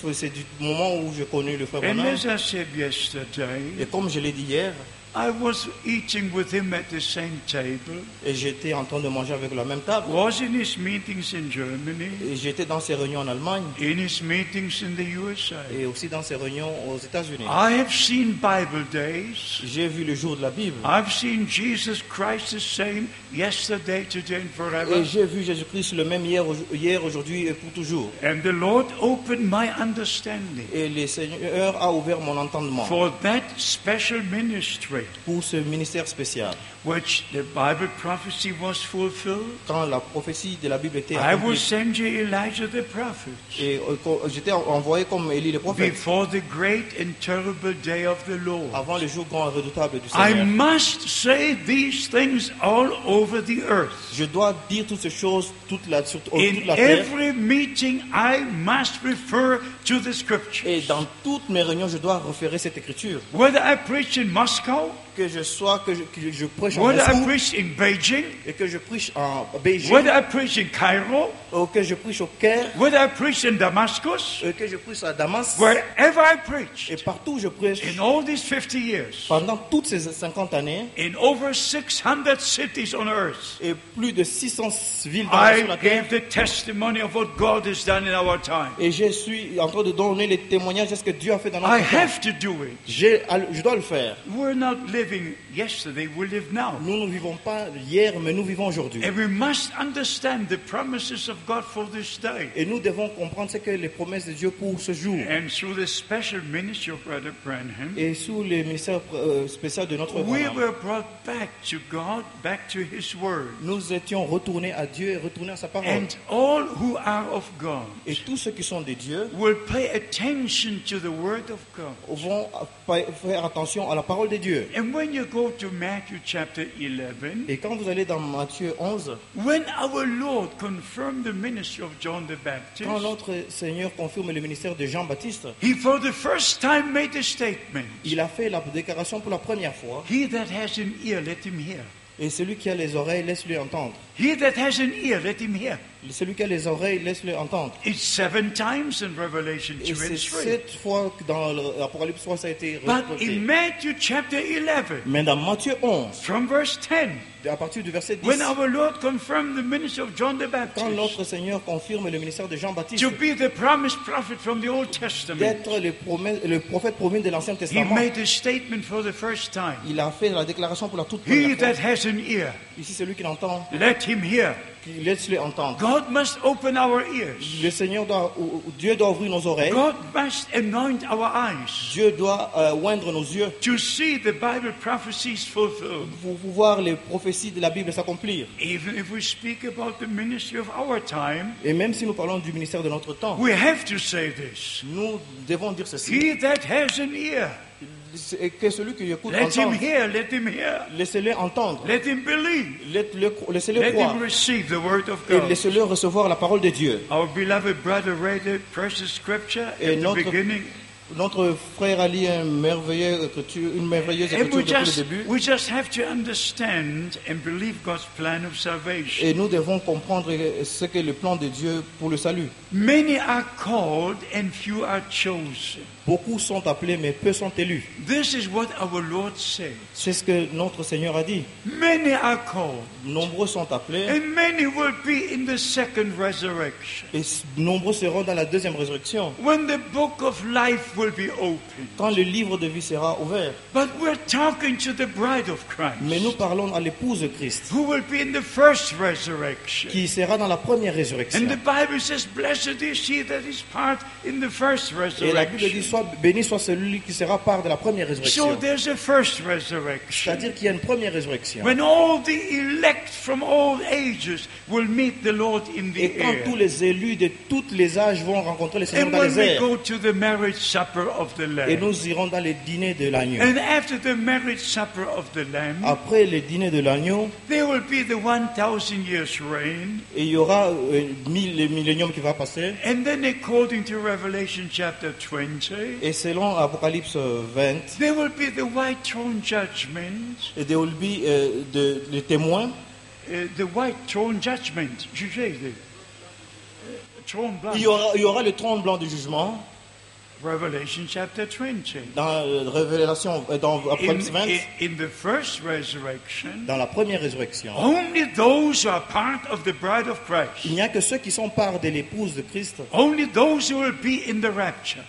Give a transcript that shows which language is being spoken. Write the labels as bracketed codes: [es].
[fr] C'est du moment où j'ai connu le frère Branham. [en] And as I said yesterday. [fr] Et comme je l'ai dit hier. [en] I was eating with him at the same table. [fr] Et j'étais en train de manger avec la même table. [en] Was in his meetings in Germany. [fr] Et j'étais dans ses réunions en Allemagne. [en] In his meetings in the USA. [fr] Et aussi dans ses réunions aux États-Unis. [en] I have seen Bible days. [fr] J'ai vu le jour de la Bible. [en] I've seen Jesus Christ the same yesterday, today, and forever. [fr] Et j'ai vu Jésus-Christ le même hier, aujourd'hui et pour toujours. [en] And the Lord opened my understanding. [fr] Et le Seigneur a ouvert mon entendement. [en] For that special ministry. [fr] Pour ce ministère spécial. [en] Which the Bible prophecy was fulfilled. [fr] Quand la prophétie de la Bible était accomplie. [en] I will send you Elijah the prophet. [fr] Et j'étais envoyé comme Élie le prophète. [en] Before the great and terrible day of the Lord. [fr] Avant le jour grand et redoutable du Seigneur. [en] I must say these things all over the earth. [fr] Je dois dire toutes ces choses toute la terre. [en] In every meeting, I must refer to the scriptures. [fr] Et dans toutes mes réunions, je dois référer cette écriture. [en] Whether I preach in Moscow. [fr] Que je sois, que je prêche [en] whether [fr] en Moscou, [en] I preach in Beijing, [fr] et que je prêche en Beijing, [en] whether I preach in Cairo, [fr] ou que je prêche au Caire, [en] whether I preach in Damascus, [fr] et que je prêche à Damas, [en] wherever I preach, [fr] et partout où je prêche, [en] in all these 50 years, [fr] pendant toutes ces 50 années, [en] in over 600 cities on earth, [fr] et plus de 600 villes dans [en] I [fr] sur la terre, [en] I gave the testimony of what God has done in our time, [fr] et je suis en train de donner les témoignages de ce que Dieu a fait dans notre [en] I [fr] temps. [en] I have to do it. [fr] Je dois le faire. [en] We're not living yesterday, we live now. [fr] Nous ne vivons pas hier, mais nous vivons aujourd'hui. [en] And we must understand the promises of God for this day. [fr] Et nous devons comprendre ce que les promesses de Dieu pour ce jour. [en] And through the special ministry of Brother Branham. [fr] Et sous le ministère spécial de notre [en] Branham. We were brought back to God, back to His Word. [fr] Nous étions retournés à Dieu et retournés à sa parole. [en] And all who are of God. [fr] Et tous ceux qui sont de Dieu. [en] Will pay attention to the Word of God. [fr] Vont faire attention à la parole de Dieu. [en] And when you go to Matthew chapter 11, [fr] et quand vous allez dans Matthieu 11, [en] when our Lord confirmed the ministry of John the Baptist, [fr] quand notre Seigneur confirme le ministère de Jean-Baptiste, [en] he for the first time made a statement. [fr] Il a fait la déclaration pour la première fois. [en] He that has an ear, let him hear. [fr] Et celui qui a les oreilles, laisse-le entendre. [en] He that has an ear, let him hear. [fr] Celui qui a les oreilles, laisse-le entendre. [en] It's seven times in Revelation 2 and 3. [fr] Et c'est sept fois que dans l'Apocalypse 3 ça a été répété. [en] But in Matthew chapter 11. [fr] Mais dans Matthieu 11. [en] From verse 10. [fr] À partir du verset 10. [en] When our Lord confirmed the ministry of John the Baptist. [fr] Quand notre Seigneur confirme le ministère de Jean-Baptiste. [en] To be the promised prophet from the Old Testament. [fr] D'être le prophète promis de l'Ancien Testament. [en] He made a statement for the first time. [fr] Il a fait la déclaration pour la toute première fois. [en] He that has an ear. [fr] Ici celui qui l'entend. [en] Let him hear. [fr] Laisse-le entendre. [en] God must open our ears. [fr] Le Seigneur doit, Dieu doit ouvrir nos oreilles. [en] God must anoint our eyes. [fr] Dieu doit oindre nos yeux. [en] To see the Bible prophecies fulfilled. [fr] Pour voir les prophéties de la Bible s'accomplir. [en] Even if we speak about the ministry of our time. [fr] Et même si nous parlons du ministère de notre temps. [en] We have to say this. [fr] Nous devons dire ceci. [en] He that has an ear. [fr] Que celui qui écoute [en] let him hear, let him hear. [fr] Laissez-le entendre. [en] Let him believe. [fr] Laissez-le croire. [en] Let him receive the word of God. [fr] Et laissez-le recevoir la parole de Dieu. [en] Our beloved brother read a precious scripture at the beginning. [fr] Notre frère a lu une merveilleuse écriture depuis le début. [en] We just have to understand and believe God's plan of salvation. [fr] Et nous devons comprendre ce qu'est le plan de Dieu pour le salut. [en] Many are called and few are chosen. [fr] Beaucoup sont appelés, mais peu sont élus. [en] This is what our Lord said. [fr] C'est ce que notre Seigneur a dit. [en] Many are called. [fr] Nombreux sont appelés. [en] And many will be in the second resurrection. [fr] Et nombreux seront dans la deuxième résurrection. [en] When the book of life will be opened. [fr] Quand le livre de vie sera ouvert. [en] But we're talking to the bride of Christ. [fr] Mais nous parlons à l'épouse de Christ. [en] Who will be in the first resurrection. [fr] Qui sera dans la première résurrection. [en] And the Bible says, blessed is she that is part in the first resurrection. [fr] Et la Bible dit, Béni soit celui qui sera part de la première résurrection. [en] So there's a first resurrection. [fr] C'est-à-dire qu'il y a une première résurrection. [en] When all the elect from all ages will meet the Lord in the air. [fr] Et quand tous les élus de tous les âges vont rencontrer le Seigneur dans les airs. [en] And when we go to the marriage supper of the Lamb. [fr] Et nous irons dans le dîner de l'agneau. [en] And after the marriage supper of the Lamb. [fr] Après le dîner de l'agneau. [en] There will be the 1,000 years reign. [fr] Et il y aura le millénium qui va passer. [en] And then according to Revelation chapter 20. [fr] Et selon Apocalypse 20, [en] there will be the white throne judgment. There will be the témoins. The white throne judgment. [fr] Throne blanc. Il y aura le trône blanc du jugement. [en] Revelation chapter 20. [fr] Dans Révélation, dans Apocalypse 20. [en] In the first resurrection. [fr] Dans la première résurrection. [en] Only those who are part of the bride of Christ. [fr] Il n'y a que ceux qui sont part de l'épouse de Christ. [en] Only those who will be in the rapture.